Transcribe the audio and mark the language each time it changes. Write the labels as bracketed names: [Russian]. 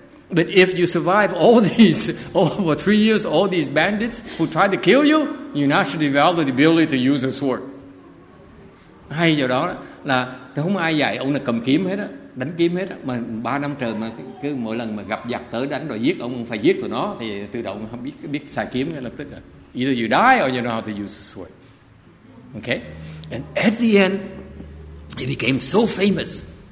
[English] But if you survive over 3 years, all these bandits who try to kill you, you naturally develop the ability to use a sword. [Vietnamese] Hay do đó là không ai dạy ông là cầm kiếm hết á, đánh kiếm hết á. Mà 3 năm trời mà cứ mỗi lần mà gặp giặc tới đánh rồi giết ông phải giết tụi nó thì tự động không biết xài kiếm ngay lập tức à. [English] Either you die or you know how to use a sword. Okay? And at the end, he became so famous.